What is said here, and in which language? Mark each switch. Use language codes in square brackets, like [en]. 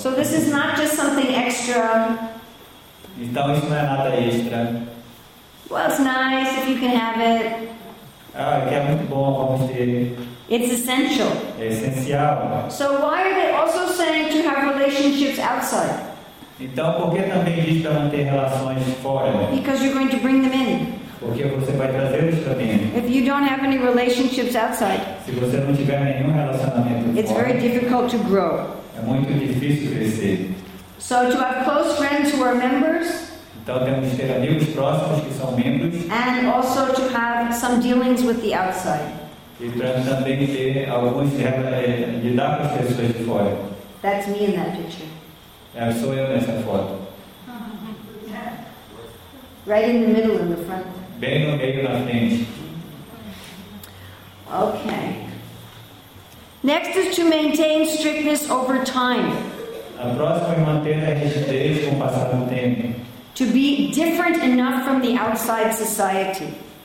[en] So this is not just something extra. [pt] Então, isso não é nada extra. [en] Well, it's nice if you can have it. [pt] Ah, que é muito bom, vamos ter. [en] It's essential. [pt] É essencial. [en] So why are they also saying to have relationships outside? [pt] Então, por que também diz para manter relações fora? [en] Because you're going to bring them in. [pt] Porque você vai trazer eles para dentro. [en] If you don't have any relationships outside, [pt] se você não tiver nenhum relacionamento [en] it's [pt] fora, [en] very difficult to grow. [pt] É muito difícil crescer. [en] So to have close friends who are members, [pt] então temos que ter amigos próximos que são membros, [en] and also to have some dealings with the outside. [pt] E para também ter alguns lidar com as pessoas de fora. [en] That's me in that picture. [pt] É, sou eu nessa foto. [en] Right in the middle, in the front. [pt] Bem no meio da frente. [en] Okay. Next is to maintain strictness over time. [pt] A próxima é manter a rigidez com o passar do tempo. [en] To be different enough from the outside society.